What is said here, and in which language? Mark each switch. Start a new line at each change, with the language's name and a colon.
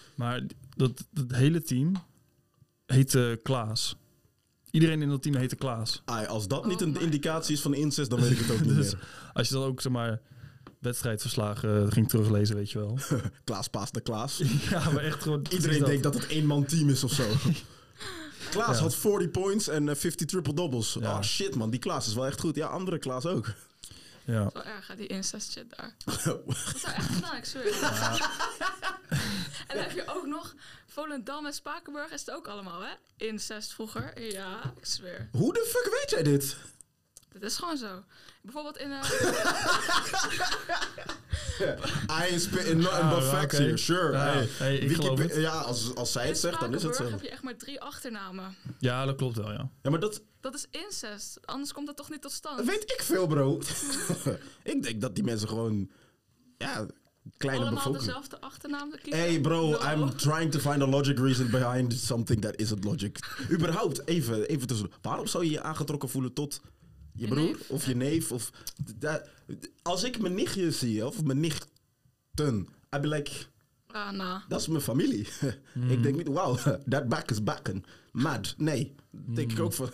Dutch: Maar dat hele team heette Klaas. Iedereen in dat team heette Klaas. Ai, als dat niet een indicatie is van incest, dan weet ik het ook niet dus, meer. Als je dan ook, zeg maar... wedstrijdverslagen ging teruglezen, weet je wel. Klaas paaste Klaas. Ja, maar echt gewoon... Iedereen denkt dat het een man team is of zo. Klaas had 40 points en 50 triple doubles. Ja. Oh shit man, die Klaas is wel echt goed. Ja, andere Klaas ook. Ja. Zo erg, die incest shit daar. Dat zou echt gedaan, ik zweer. Ja. En dan heb je ook nog... Volendam en Spakenburg is het ook allemaal, hè? Incest vroeger, ja, ik zweer. Hoe de fuck weet jij dit? Dat is gewoon zo. Bijvoorbeeld in...
English: I ain't spitting nothing but facts here, sure.
Dutch: Ja, hey, ik geloof het. Ja, als zij het zegt, dan is het zo. In Spakenburg heb je echt maar 3 achternamen. Ja, dat klopt wel, ja. Ja, maar dat... Dat is incest. Anders komt dat toch niet tot stand. Weet ik veel, bro. Ik denk dat die mensen gewoon... Ja, kleine bevolking. Allemaal dezelfde achternaam te kiezen.
English: Hey, bro, no. I'm trying to find a logic reason behind something that isn't logic.
Dutch: Überhaupt, even tussen... Waarom zou je je aangetrokken voelen tot... Je broer of je neef of... Als ik mijn nichtje zie, of mijn nichten,
English: I'd be like...
Dutch: Dat is mijn familie. Mm. Ik denk niet, wauw,
English: that back is backen.
Dutch: Mad, nee. Denk ik ook van...